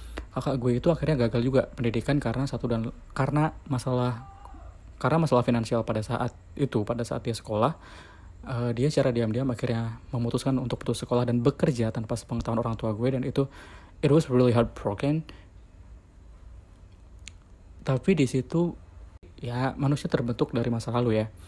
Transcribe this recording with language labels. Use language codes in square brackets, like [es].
[id] Kakak gue itu akhirnya gagal juga pendidikan karena masalah finansial pada saat itu, pada saat dia sekolah, dia secara diam-diam akhirnya memutuskan untuk putus sekolah dan bekerja tanpa sepengetahuan orang tua gue. Dan itu, [en] it was really heartbroken. [id] Tapi di situ ya manusia terbentuk dari masa lalu ya.